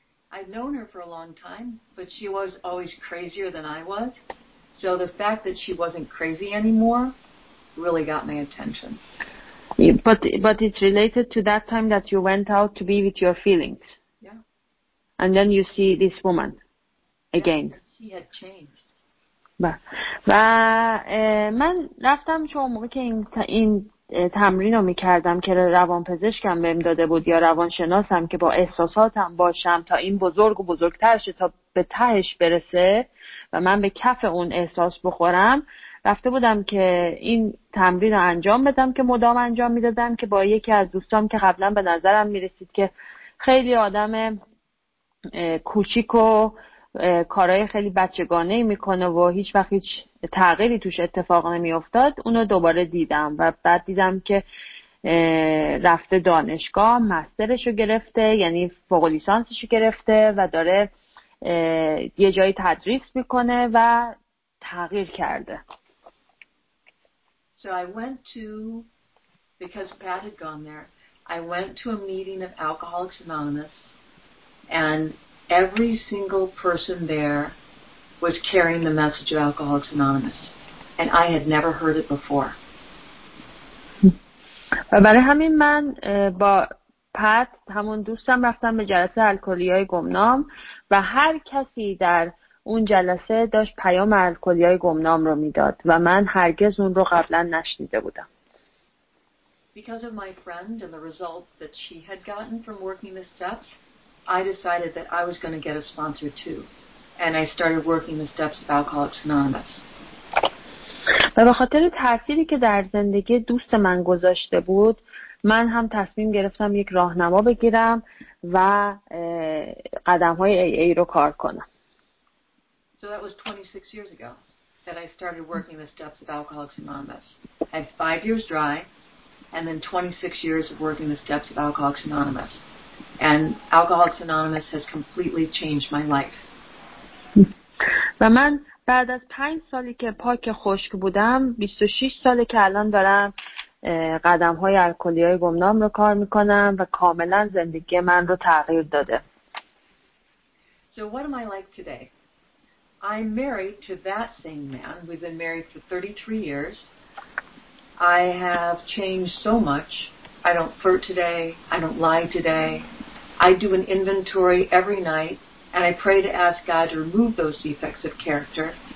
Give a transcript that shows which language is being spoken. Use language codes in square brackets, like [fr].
[en] I'd known her for a long time, but she was always crazier than I was, so the fact that she wasn't crazy anymore really got my attention. But it's related to that time that you went out to be with your feelings. Yeah. And then you see this woman. again. She had changed. [fa] و من رفتم چون موقع که این تمرین رو میکردم که روان پزشکم بهم داده بود یا روانشناسم که با احساساتم باشم تا این بزرگ و بزرگتر شه تا به تهش برسه و من به کف اون احساس بخورم، رفته بودم که این تمرین رو انجام بدم که مدام انجام میدادم که با یکی از دوستام که قبلا به نظرم میرسید که خیلی آدم کوچیک و کارهای خیلی بچگانه‌ای میکنه و هیچ وقت هیچ تغییری توش اتفاق نمیافتاد، اونو دوباره دیدم و بعد دیدم که رفته دانشگاه، مسترشو گرفته، یعنی فوق لیسانسشو گرفته و داره یه جایی تدریس میکنه و تغییر کرده. [en] So I went to, because Pat had gone there, I went to a meeting of Alcoholics Anonymous and every single person there was carrying the message of Alcoholics Anonymous, and I had never heard it before. [fa] و برای همین من با پت همون دوستم رفتم به جلسه الکلی‌های گمنام و هر کسی در اون جلسه داشت پیام الکلی‌های گمنام رو میداد و من هرگز اون رو قبلا نشنیده بودم. [en] Because of my friend and the results that she had gotten from working the steps, I decided that I was going to get a sponsor too, and I started working the steps of Alcoholics Anonymous. [fa] و به خاطر تأثیری که در زندگی دوست من گذاشته بود، من هم تصمیم گرفتم یک راهنما بگیرم و قدم‌های AA رو کار کنم. [en] So that was 26 years ago that I started working the steps of Alcoholics Anonymous. I had 5 years dry, and then 26 years of working the steps of Alcoholics Anonymous. And Alcoholics Anonymous has completely changed my life. [fa] و من بعد از 5 سالی که پاک خشک بودم، 26 سالی که الان دارم قدم‌های الکلی‌های گمنام رو کار می‌کنم و کاملاً زندگی من رو تغییر داده. [en] So what am I like today? I'm married to that same man. We've been married for 33 years. I have changed so much. I don't flirt today. I don't lie today. I do an inventory every night, and I pray to ask God to remove those defects of character.